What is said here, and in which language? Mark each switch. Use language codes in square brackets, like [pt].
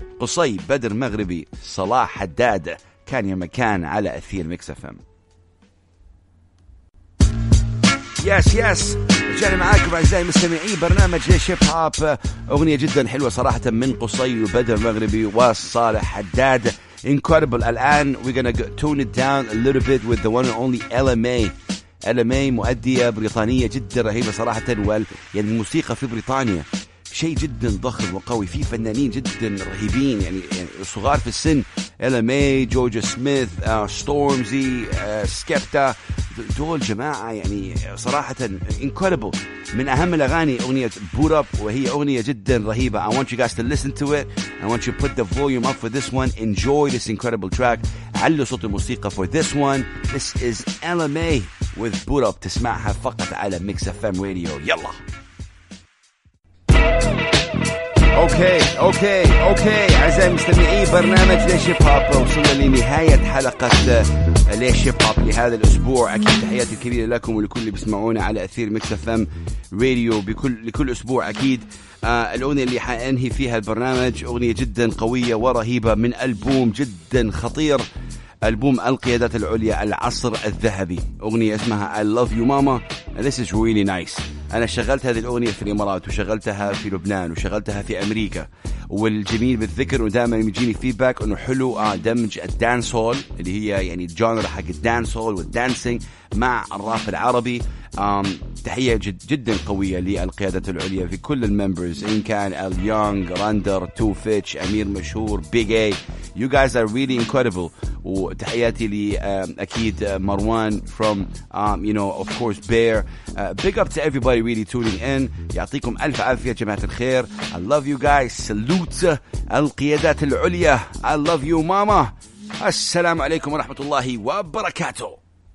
[ar] قصي بدر مغربي صلاح حداد كان يا مكان على أثير ميكس FM. يس يس, رجعنا معاكم أعزائي المستمعين برنامج ليش هيب هوب. أغنية جدا حلوة صراحة من قصي وبدر مغربي وصالح حداد, incredible. الآن [en] we're gonna tone it down a little bit with the one and only LMA. [ar] LMA مؤدية بريطانية جدا رهيبة صراحة, يعني الموسيقى في بريطانيا شيء جدا ضخم وقوي, في فنانين جدا رهيبين يعني صغار في السن. LMA, جورج سميث, ستورمزي, سكيبتا, دول جماعة يعني صراحة incredible. من أهم الأغاني أغنية Boot Up, وهي أغنية جدا رهيبة. [en] I want you guys to listen to it. I want you to put the volume up for this one. Enjoy this incredible track. [ar] علوا صوت الموسيقى [en] for this one. This is LMA with Boot Up. [ar] تسمعها فقط على Mix FM Radio. يلا. اوكي اعزائي المستمعين, برنامج ليش هيب هوب وصلنا لنهايه حلقه ليش هيب هوب لهذا الاسبوع. اكيد تحياتي الكبيره لكم ولكل اللي بيسمعونا على اثير ميكس اف ام راديو لكل اسبوع. اكيد الاغنيه اللي حانهي فيها البرنامج اغنيه جدا قويه ورهيبه من البوم جدا خطير, البوم القيادات العليا العصر الذهبي, اغنيه اسمها [en] I love you mama and this is really nice. [ar] أنا شغلت هذه الأغنية في الإمارات وشغلتها في لبنان وشغلتها في أمريكا, والجميل بالذكر ودائما يجيني فيدباك أنه حلو دمج الدانس هول اللي هي يعني الجانر حق الدانس هول والدانسينج مع الراف العربي. تحية جدا قوية للقيادة العليا في كل الممبرز, إن كان أل يونغ, راندر, تو فيتش, أمير مشهور, بيج أي, [en] You guys are really incredible. [ar] وتحياتي لي أكيد مروان [en] from you know of course [ar] Bear. [en] Big up to everybody really tuning in. [ar] يعطيكم ألف عافية جماعة الخير. [en] I love you guys. [ar] Salute القيادات العليا. [en] I love you mama. [ar] السلام عليكم ورحمة الله وبركاته.